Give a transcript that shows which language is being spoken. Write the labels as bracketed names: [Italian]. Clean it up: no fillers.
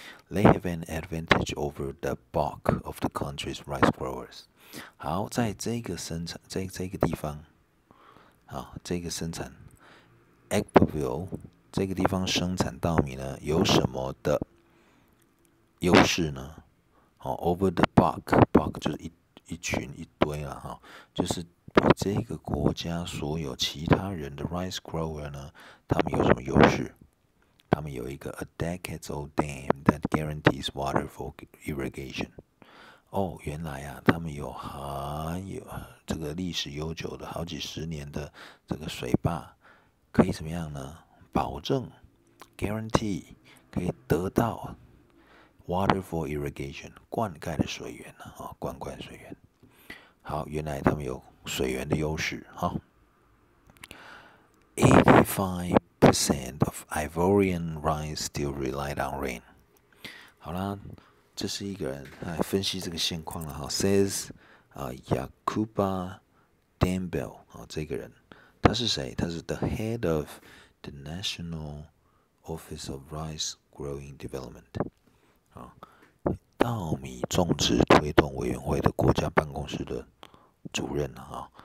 [English] They have an advantage over the bulk of the country's rice growers. [Chinese] 好，在这个生产，在这个地方，好，这个生产 ，Agboville 这个地方生产稻米呢，有什么的优势呢？哦 ， [English] over the bulk [Chinese] 就是一堆啦，哈，就是比这个国家所有其他人的 rice grower 呢，他们有什么优势？他们有一个 [English] a decades old dam that guarantees water for irrigation。 [Chinese] 哦，原来啊，他们有很有这个历史悠久的好几十年的这个水坝，可以怎么样呢？保证 guarantee 可以得到 [English] water for irrigation [Chinese] 灌溉的水源啊，哦、灌水源。好，原来他们有水源的优势哈。 [English] 85% of Ivorian rice still relied on rain。 [Chinese] 好啦，这是一个人来分析这个现况了哈。 Says 啊、Yakuba Dembele 啊、哦，这个人他是谁？他是 [English] the head of the National Office of Rice Growing Development [Chinese] 啊、哦，稻米种植推动委员会的国家办公室的主任啊、哦。